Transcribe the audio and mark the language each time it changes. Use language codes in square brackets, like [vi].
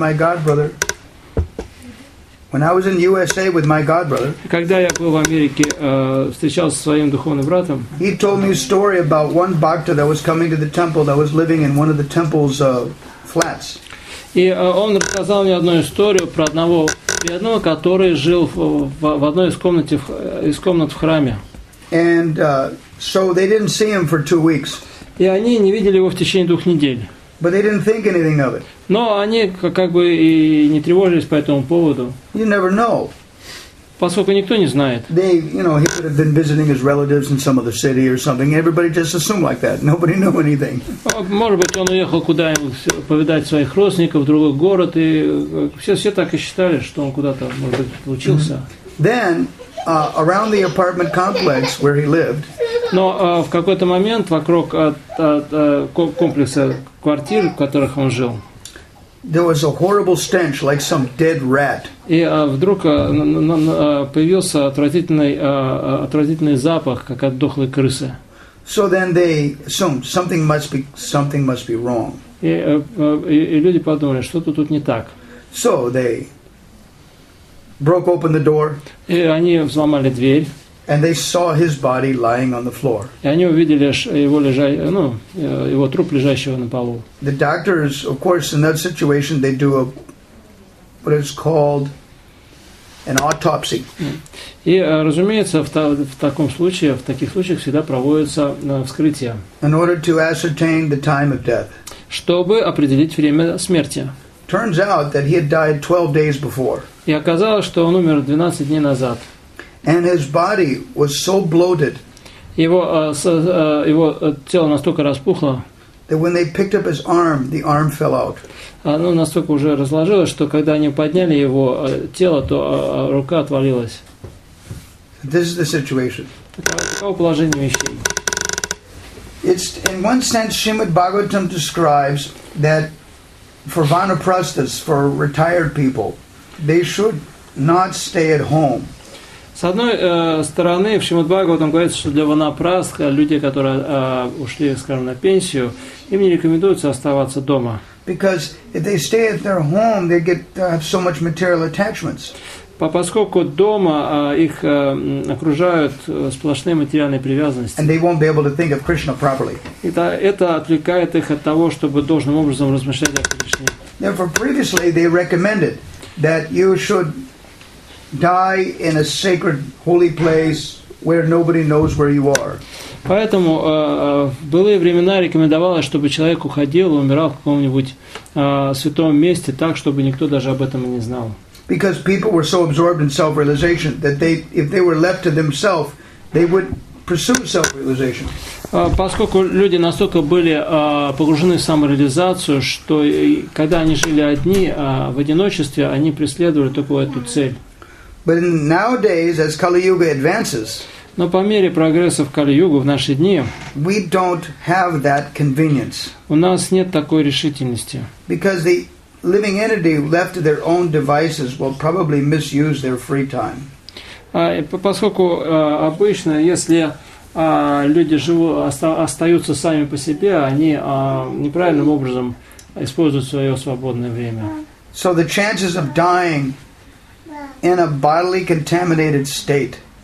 [en] When I was in USA with my godbrother, [ru] когда я был в Америке, встречался со своим духовным братом, [en] he told me a story about one bhakta that was coming to the temple that was living in one of the temple's flats. [ru] И он рассказал мне одну историю про одного бедного, который жил в одной из комнат в храме. [en] And so they didn't see him for 2 weeks. [ru] И они не видели его в течение двух недель. [en] But they didn't think anything of it. [ru] Но они как бы и не тревожились по этому поводу. [en] You never know. [ru] Поскольку никто не знает. [en] They, you know, he could have been visiting his relatives in some other city or something. Everybody just assumed like that. Nobody knew anything. [ru] Может быть, он уехал куда-нибудь повидать своих родственников в другой город, и все так и считали, что он куда-то, может быть, учился. [en] Then, around the apartment complex where he lived. [ru] Но в какой-то момент вокруг комплекса квартир, в которых он жил. [en] There was a horrible stench, like some dead rat. [ru] И вдруг появился отвратительный запах, как от дохлой крысы. [en] So then they assumed something must be wrong. [ru] И люди подумали, что-то тут не так. [en] So they broke open the door. [ru] И они взломали дверь. [en] And they saw his body lying on the floor. [ru] И они увидели его труп лежащего на полу. [en] The doctors, of course, in that situation, they do what is called an autopsy. [ru] И, разумеется, в таком случае, в таких случаях всегда проводится вскрытие. [en] In order to ascertain the time of death. [ru] Чтобы определить время смерти. [en] Turns out that he had died 12 days before. [ru] И оказалось, что он умер 12 дней назад. [en] And his body was so bloated. [ru] Его тело настолько распухло. [en] That when they picked up his arm, the arm fell out. [ru] Оно настолько уже разложилось, что когда они подняли его тело, то рука отвалилась. [en] This is the situation. [ru] Таково положение вещей. [en] It's in one sense, Srimad Bhagavatam describes that for vanaprasthas, for retired people, they should not stay at home. [ru] С одной стороны, в Шримад-Бхагаватам говорится, что для ванапраст, люди, которые ушли, скажем, на пенсию, им не рекомендуется оставаться дома. [en] Because if they stay at their home, they get have so much material attachments. [ru] Поскольку дома их окружают сплошные материальные привязанности. [en] And they won't be able to think of Krishna properly. [ru] Это отвлекает их от того, чтобы должным образом размышлять о Кришне. [en] Therefore, previously they recommended that you should die in a sacred, holy place where nobody knows where you are. [ru] Поэтому в былые времена рекомендовалось, чтобы человек уходил, умирал в каком-нибудь святом месте, так чтобы никто даже об этом и не знал. [en] Because people were so absorbed in self-realization that they, if they were left to themselves, they would pursue self-realization. [ru] Поскольку люди настолько были погружены в самореализацию, что когда они жили одни в одиночестве, они преследовали только эту цель. [en] But nowadays, as Kali Yuga advances, [ru] но по мере прогресса в Кали-Югу в наши дни, [en] we don't have that convenience. [ru] У нас нет такой решительности. [en] Because the living entity left to their own devices will probably misuse their free time. [ru] Поскольку обычно, если люди остаются сами по себе, они неправильным образом используют свое свободное время. [en] So the chances of dying in a bodily contaminated state.